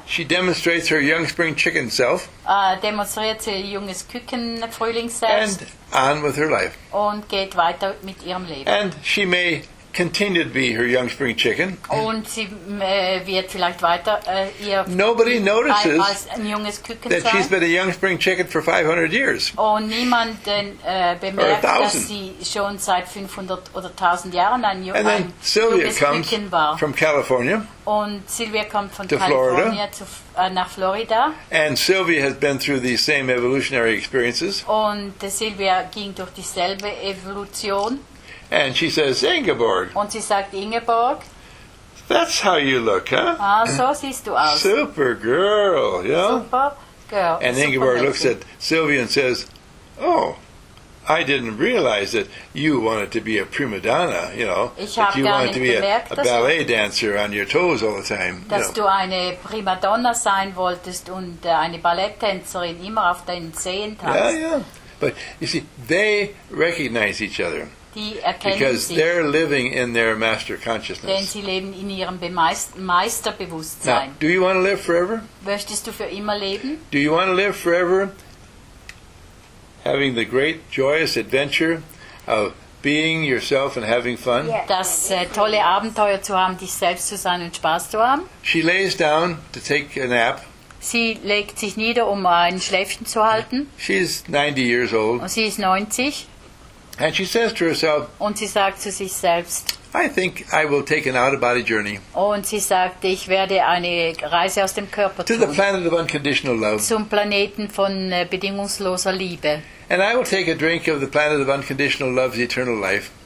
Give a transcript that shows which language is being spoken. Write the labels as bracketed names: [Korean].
[English] she demonstrates her young spring chicken self. [German] Demonstriert ihr junges Küken Frühling selbst. [English] And on with her life. [German] Und geht weiter mit ihrem Leben. [English] And she may continue to be her young spring chicken. [German] Und sie wird vielleicht weiter ihr [English] Nobody notices [German] ein junges Küken [English] that [German] sein. [English] She's been a young spring chicken for 500 years. [German] Und niemand bemerkt, dass sie schon seit 500 oder 1000 Jahren ein junges Küken war. [English] And then Sylvia comes from California. [German] Und Sylvia kommt von Kalifornien nach Florida. [English] And Sylvia has been through the same evolutionary experiences. [German] Und Sylvia ging durch dieselbe Evolution. [English] And she says, Ingeborg. [German] Und sie sagt, Ingeborg. [English] That's how you look, huh? [German] Ah, so siehst du aus. [English] Super girl, yeah? Super girl. And super Ingeborg messy. Looks at Sylvia and says, oh, I didn't realize that you wanted to be a prima donna, you know. [German] Ich habe gar nicht gemerkt, dass [English] you wanted to be a ballet dancer on your toes all the time. [German] Dass du eine prima donna sein wolltest und eine Balletttänzerin immer auf deinen Zehen tanzt. [English] Yeah, yeah. But, you see, they recognize each other. Because they're living in their master consciousness. [German] Denn sie leben in ihrem Meisterbewusstsein. [English] Now, do you want to live forever? [German] Möchtest du für immer leben? [English] Do you want to live forever having the great joyous adventure of being yourself and having fun? [German] Das tolle Abenteuer zu haben, dich selbst zu sein und Spaß zu haben. [English] She lays down to take a nap. [German] Sie legt sich nieder, um ein Schläfchen zu halten. [English] She's 90 years old. [German] Und sie ist 90. [English] And she says to herself, [German] und sie sagt zu sich selbst, [English] I think I will take an out-of-body journey. [German] Und sie sagt, ich werde eine Reise aus dem Körper [English] to [German] tun. [English] To the planet of unconditional love. [German] Zum Planeten von bedingungsloser Liebe. [English] And I will take a drink of the planet of unconditional love's eternal life.